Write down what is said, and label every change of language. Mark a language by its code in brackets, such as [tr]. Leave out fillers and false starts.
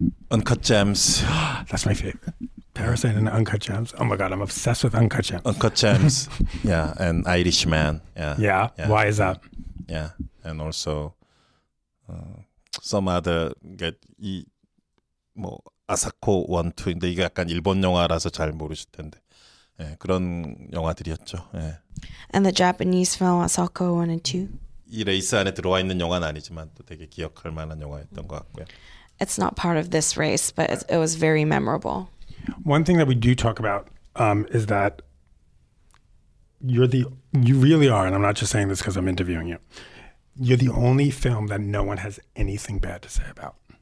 [en] Uncut Gems. That's my favorite. Parasite and Uncut Gems. Oh my God, I'm obsessed with Uncut Gems. Uncut Gems, yeah, and Irishman, yeah. Yeah, yeah. Why is that? Yeah, and also some other, get e, more. [ko] 아사코 1, 2, 근데 이게 약간 일본 영화라서 잘 모르실 텐데 예, 그런 영화들이었죠. 예. [en] And the Japanese film Asako 1 and 2? [ko] 이 레이스 안에 들어와 있는 영화는 아니지만 또 되게 기억할 만한 영화였던 것 같고요. [en] It's not part of this race, but it was very memorable. One thing that we do talk about is that you really are, and I'm not just saying this because I'm interviewing you, you're the only film that no one has anything bad to say about.